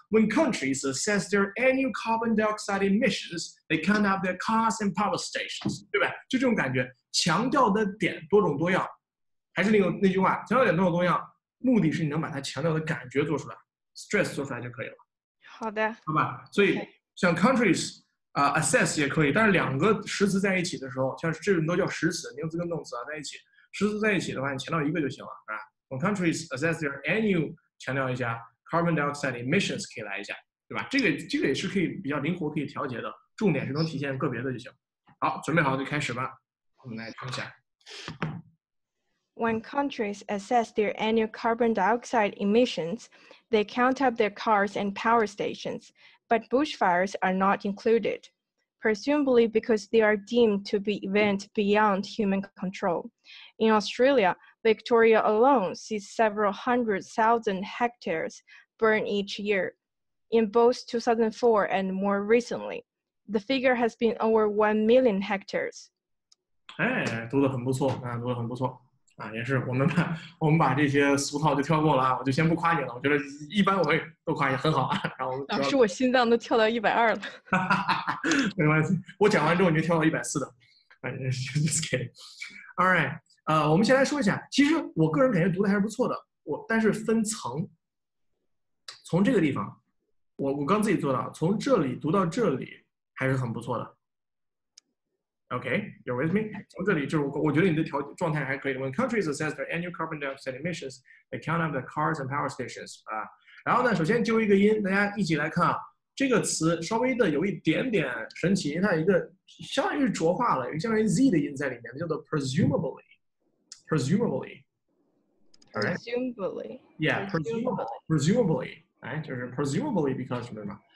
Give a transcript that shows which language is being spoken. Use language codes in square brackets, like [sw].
[en] When countries assess their annual carbon dioxide emissions， they count up their cars and power stations， 对吧？ [zh] 就这种感觉，强调的点多种多样，还是那句话，强调点多种多样。目的是你能把它强调的感觉做出来 ，stress 做出来就可以了。好的，好吧。所以像 countries 啊、assess 也可以，但是两个实词在一起的时候，像这种都叫实词，名词跟动词啊在一起，实词在一起的话，你强调一个就行了，是吧 ？ [en] When countries assess their annual， [zh] 强调一下 carbon dioxide emissions 可以来一下，对吧？这个也是可以比较灵活可以调节的，重点是能体现个别的就行。好，准备好就开始吧，我们来听一下。 [en] When countries assess their annual carbon dioxide emissions, they count up their cars and power stations, but bushfires are not included, presumably because they are deemed to be events beyond human control. In Australia, Victoria alone sees several hundred thousand hectares burn each year. In both 2004 and more recently, the figure has been over 1 million hectares. [zh] Hey, 读得很不错，啊，读得很不错。啊，也是，我们把这些俗套就跳过了啊，我就先不夸你了。我觉得一般我会都夸你很好啊。然后老师，我心脏都跳到120了。没关系，我讲完之后你就跳到140的。 [en] Just kidding. All right， [zh] 我们先来说一下，其实我个人感觉读的还是不错的。但是分层，从这个地方，我刚自己做到，从这里读到这里还是很不错的。 [en] Okay, you're with me. [zh] 从这里就是我觉得你的状态还可以。 [en] When countries assess their annual carbon dioxide emissions, they count up the cars and power stations. [zh] 啊，然后呢，首先纠一个音，大家一起来看啊，这个词稍微的有一点点神奇，它有一个相当于浊化了，有相当于 z 的音在里面，叫做 presumably. [en] Presumably. Presumably. Yeah, presumably. Presumably. [zh] 哎，就是 [en] presumably because 什么什么。